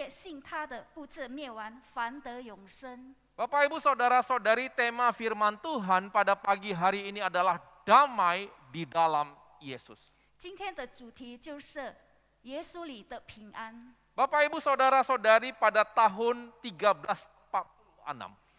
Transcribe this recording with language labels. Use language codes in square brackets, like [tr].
[zh] 神爱世人，甚至将他的独生子赐给他们，叫一切信他的不至灭亡，反得永生。 [id] Bapak, Ibu, Saudara-saudari, tema firman Tuhan pada pagi hari ini adalah damai di dalam Yesus. [zh] 今天的主题就是 耶稣里的平安. [id] Bapak, Ibu, Saudara-saudari, pada tahun 1346.